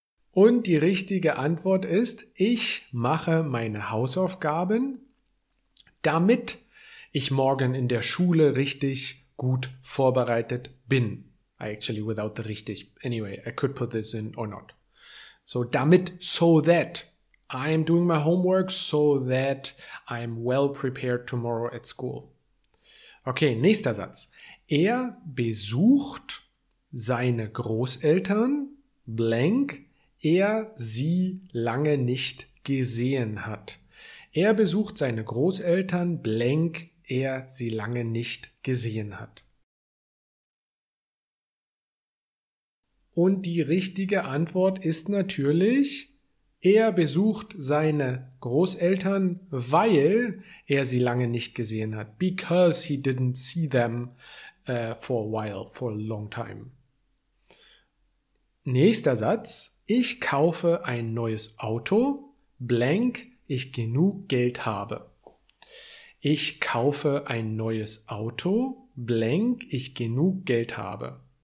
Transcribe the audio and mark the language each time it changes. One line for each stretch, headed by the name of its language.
German: Und die richtige Antwort ist, ich mache meine Hausaufgaben, damit ich morgen in der Schule richtig gut vorbereitet bin.
English: I could put this in or not. So damit, so that I'm doing my homework, so that I'm well prepared tomorrow at school.
German: Okay, nächster Satz. Er besucht seine Großeltern, blank, er sie lange nicht gesehen hat. Er besucht seine Großeltern, blank, er sie lange nicht gesehen hat. Und die richtige Antwort ist natürlich, er besucht seine Großeltern, weil er sie lange nicht gesehen hat.
English: Because he didn't see them for a long time.
German: Nächster Satz, ich kaufe ein neues Auto, blank, ich genug Geld habe. Ich kaufe ein neues Auto, blank, ich genug Geld habe.